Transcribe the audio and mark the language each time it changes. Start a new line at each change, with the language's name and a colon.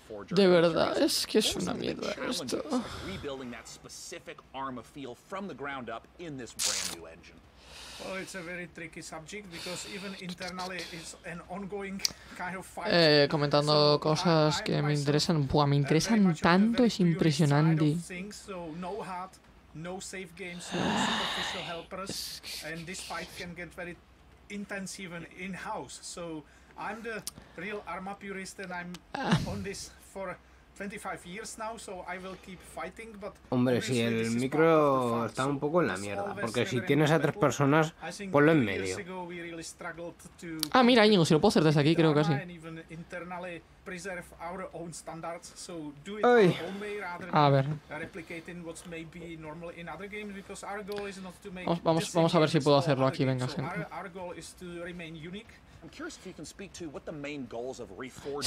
Spanish: De verdad, es que es una mierda esto.
English: Rebuilding that specific armor feel from the ground up in this brand new engine. Well, it's a very tricky subject because even internally it's an ongoing kind of fight.
Spanish: Comentando cosas que me interesan, me interesan tanto, es impresionante.
English: No safe games, no superficial helpers, and this fight can get very intensive and in-house. So I'm the real Arma purist, and I'm on this for 25 years now, so I will keep fighting. But
Spanish: hombre, si el micro está un poco en la mierda, porque si tienes a 3 personas, ponlo en medio. Ah, mira, Íñigo, si lo puedo hacer desde aquí, creo que sí.
English: Preserve our own standards, so do it our own way rather than replicating what's maybe normal in other games, because our goal is not to make
Spanish: vamos a ver si puedo hacerlo aquí, venga,
English: so our goal is to remain unique. I'm curious if you can speak to what the main goals of Reforged.